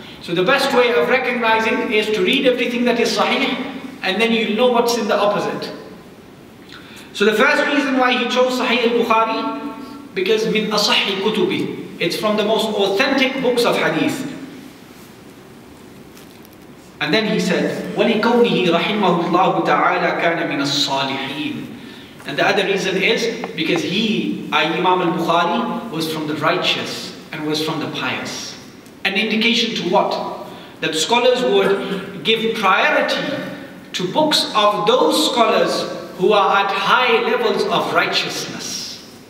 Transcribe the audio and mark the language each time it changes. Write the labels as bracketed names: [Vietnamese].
[English] So the best way of recognizing is to read everything that is sahih, and then you know what's in the opposite. So the first reason why he chose Sahih al-Bukhari, because [Arabic] min asahhi kutubi, [English] it's from the most authentic books of hadith. And then he said, [Arabic] وَلِكَوْنِهِ رَحِمَهُ اللَّهُ تَعَالَى كَانَ مِنَ الصَّالِحِينَ. [English] And the other reason is because he, Imam al-Bukhari, was from the righteous and was from the pious. An indication to what? That scholars would give priority to books of those scholars who are at high levels of righteousness.